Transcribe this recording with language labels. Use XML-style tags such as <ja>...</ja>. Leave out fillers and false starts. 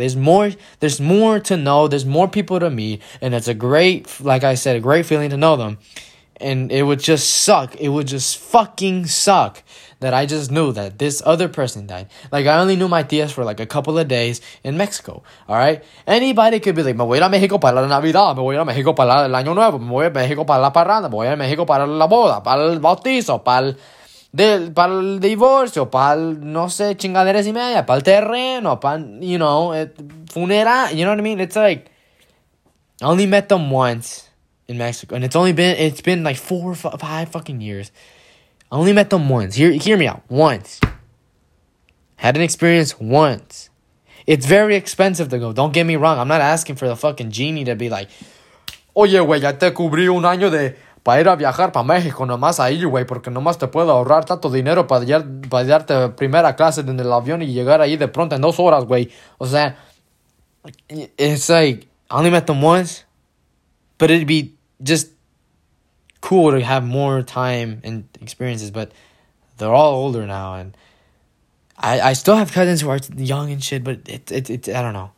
<en>There's more to know. There's more people to meet. And it's a great, like I said, a great feeling to know them. And it would just suck. It would just fucking suck that I just knew that this other person died. Like, I only knew my tías for like a couple of days in Mexico. All right? Anybody could be like,</en> <es>me voy a Mexico para la Navidad. Me voy a Mexico para el Año Nuevo. Me voy a Mexico para la parranda. Me voy a Mexico para la boda. Para el bautizo. Para el divorcio. Para el, no sé, chingaderas y media. Para el terreno. Para,</es> <en>you know, funeral. You know what I mean? It's like, I only met them once in Mexico. And it's been like 4 or 5 fucking years. I only met them once. Hear me out. Once. Had an experience once. It's very expensive to go. Don't get me wrong. I'm not asking for the fucking genie to be like,</en> <es>oye, güey, ya te cubrí un año de para ir a viajar para México nomás ahí, güey, porque nomás te puedo ahorrar tanto dinero para darte primera clase en el avión y llegar ahí de pronto en 2 horas, güey. O sea,</es> <en>it's like, I only met them once, but it'd be just cool to have more time and experiences, but they're all older now, and I still have cousins who are young and shit, but it's I don't know.</en>